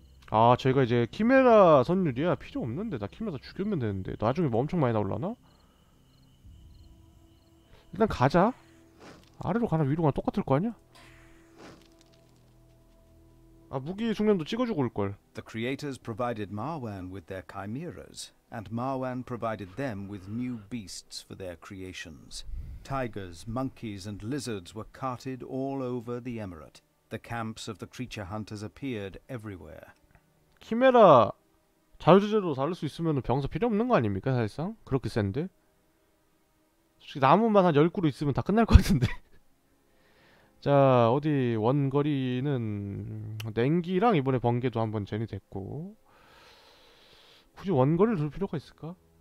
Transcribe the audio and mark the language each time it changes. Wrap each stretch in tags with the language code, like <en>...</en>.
<ko>아, 저희가 이제 키메라 선율이야. 필요 없는데. 나 키메라 죽이면 되는데. 나중에 뭐 엄청 많이 나오려나? 일단 가자. 아래로 가나 위로 가나 똑같을 거 아니야? 아, 무기 숙련도 찍어주고 올 걸.</ko> <en>The creators provided Marwan with their chimeras, and Marwan provided them with new beasts for their creations. Tigers, monkeys, and lizards were carted all over the emirate. The camps of the creature hunters appeared everywhere.</en> <ko>키메라 자유주제로 다룰 수 있으면 병사 필요 없는 거 아닙니까? 사실상 그렇게 센데 솔직히 나무만 한 10그루 있으면 다 끝날 것 같은데. 자, 어디 원거리는 냉기랑 이번에 번개도 한번 제니 됐고, 굳이 원거리를 둘 필요가 있을까?</ko>